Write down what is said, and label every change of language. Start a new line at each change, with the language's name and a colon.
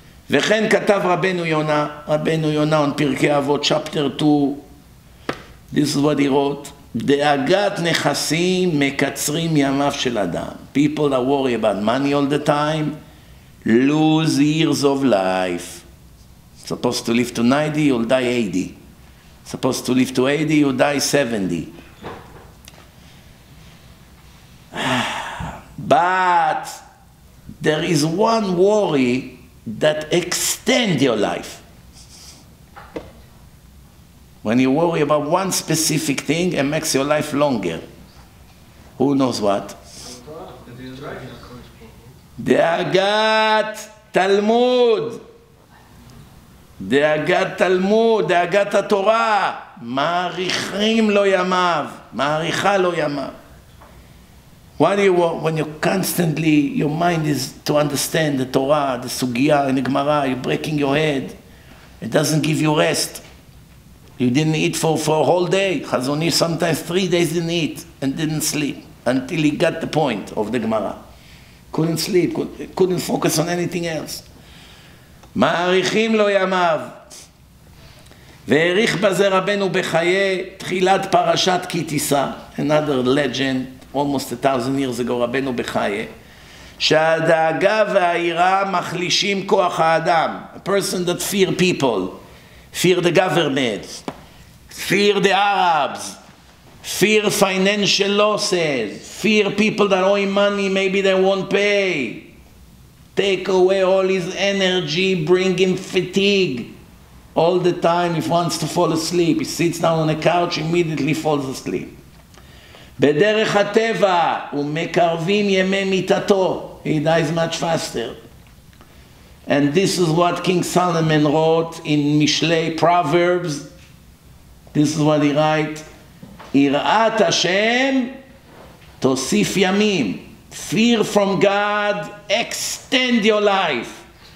Hebrew: וכן כתב רבנו יונה, רבנו יונה on פרקי אבות,
English: chapter 2, this is what he wrote,
Hebrew: דאגת נכסים מקצרים ימיו של אדם.
English: People that worry about money all the time lose years of life. Supposed to live to 90, you'll die 80. Supposed to live to 80, you'll die 70. But there is one worry that extends your life. When you worry about one specific thing, it makes your life longer. Who knows what?
Hebrew: דאגת תלמוד. דאגת תלמוד, דאגת התורה. מעריכים לו ימיו, מעריכה לו ימיו.
English: When you constantly, your mind is to understand the Torah, the sugya, in the Gemara, you're breaking your head. It doesn't give you rest. You didn't eat for a whole day. Chazoni sometimes 3 days didn't eat and didn't sleep until he got the point of the Gemara. Couldn't sleep, couldn't focus on anything else.
Hebrew: מעריכים לו ימיו. והעריך בזה רבנו בחיי תחילת פרשת כי תישא.
English: Another legend. Almost 1,000 years ago,
Hebrew: רבנו בחיי, שהדאגה והעירה מחלישים כוח האדם.
English: A person that fear people, fear the government, fear the Arabs, fear financial losses, fear people that owe him money, maybe they won't pay. Take away all his energy, bring him fatigue. All the time, if he wants to fall asleep, he sits down on a couch, immediately falls asleep.
Hebrew: בדרך הטבע ומקרבים ימי מיטתו.
English: He dies much faster. And this is what King Solomon wrote in Mishlei Proverbs. This is what he write.
Hebrew: יראת השם תוסיף ימים.
English: Fear from God, extend your life.